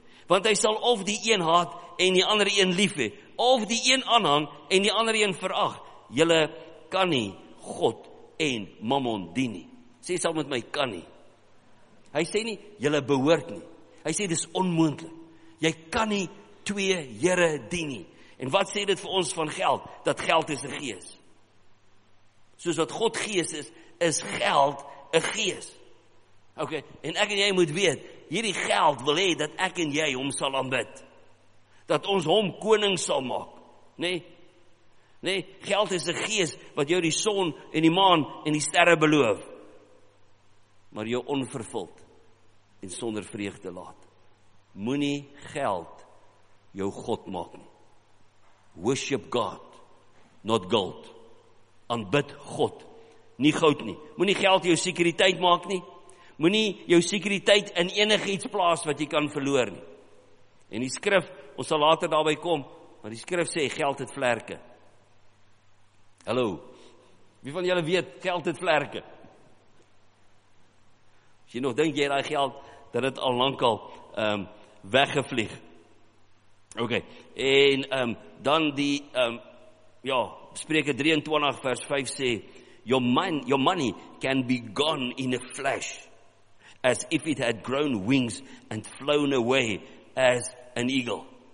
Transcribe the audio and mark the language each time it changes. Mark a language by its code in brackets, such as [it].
[af] Want hy sal of die een haat en die andere een lief hê, of die een aanhang en die andere een verag. Julle kan nie God en Mammon dien nie. sê saam met my, kan nie. Hy sê nie, julle behoort nie. Hy sê, dis onmoontlik. Jy kan nie twee Here dien nie. En wat sê dit vir ons van geld? Dat geld is 'n gees. Soos wat God gees is, is geld 'n gees. Ok, en ek en jy moet weet, hierdie geld wil hê dat ek en jy hom sal aanbid. Dat ons hom koning sal maak. Nee? Nee, geld is 'n gees wat jou die son en die maan en die sterre beloof. Maar jou onvervuld en sonder vreugde laat. Moenie geld jou God maak nie. [en] Worship God, not gold. [af] Aanbid God, nie goud nie. Moenie geld jou sekuriteit maak nie. Moenie jou sekuriteit in enige iets plaas wat jy kan verloor nie. En die skrif, ons sal later daarby kom, maar die skrif sê, geld het vlerke. Hallo, wie van julle weet, geld het vlerke? As jy nog denk jy die geld, dat het al lang al weggevlieg. Ok, en dan die, ja, Spreuke 23 vers 5 sê, [en] your money can be gone in a flash, as if it had grown wings and flown away as an eagle.